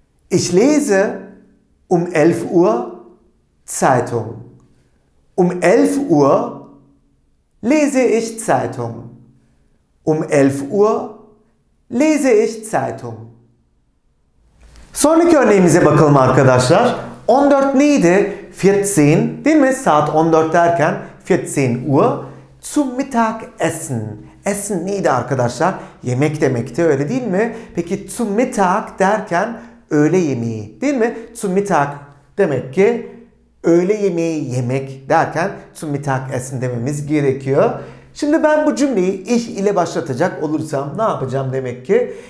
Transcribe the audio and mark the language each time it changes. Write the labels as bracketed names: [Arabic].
[German] Ich lese 11 Uhr Zeitung. 11 Uhr lese ich Zeitung. 11 Uhr lese ich Zeitung. [Turkish] Sonraki örneğimize bakalım arkadaşlar. 14 neydi? 14, değil mi? Saat 14 derken [German] 14 Uhr zum Mittagessen. [Turkish] Essen neydi arkadaşlar? Yemek demekti, öyle değil mi? Peki zum Mittag derken öğle yemeği, değil mi? Zum Mittag demek ki öğle yemeği yemek derken zum Mittag Essen dememiz gerekiyor. Şimdi ben bu cümleyi ich ile başlatacak olursam ne yapacağım demek ki?